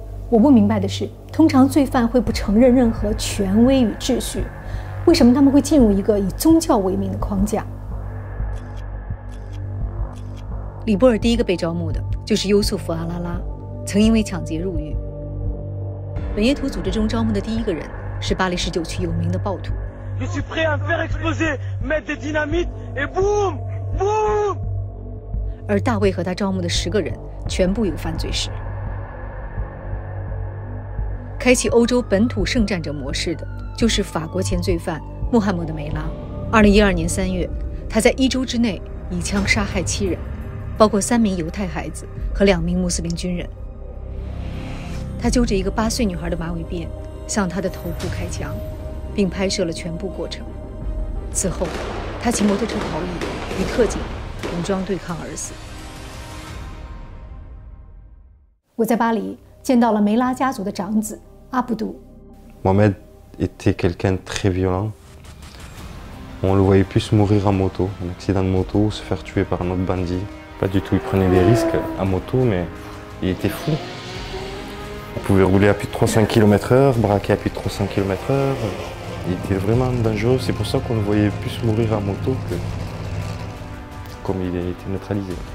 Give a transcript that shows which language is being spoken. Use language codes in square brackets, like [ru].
[zh] 我不明白的是，通常罪犯会不承认任何权威与秩序，为什么他们会进入一个以宗教为名的框架？李波尔第一个被招募的就是优素福·阿拉拉，曾因为抢劫入狱。本耶图组织中招募的第一个人是巴黎十九区有名的暴徒。 [fr] Je suis prêt à faire exploser, mettre des dynamites et boum, boum。 [zh] 而大卫和他招募的10个人全部有犯罪史。开启欧洲本土圣战者模式的就是法国前罪犯穆罕默德·梅拉。 2012年3月，他在一周之内以枪杀害7人，包括3名犹太孩子和2名穆斯林军人。他揪着一个8岁女孩的马尾辫向她的头部开枪，并拍摄了全部过程。此后他骑摩托车逃逸，与特警武装对抗而死。我在巴黎见到了梅拉家族的长子阿布杜。 [fr] Mohamed était quelqu'un très violent. On le voyait plus mourir en moto, un accident de moto, se faire tuer par un autre bandit. Pas du tout, il prenait des risques à moto, mais il était fou. On pouvait rouler à plus de 300 km/h, braquer à plus de 300 km/h. Il était vraiment dangereux. C'est pour ça qu'on le voyait plus mourir en moto que comme il a été neutralisé.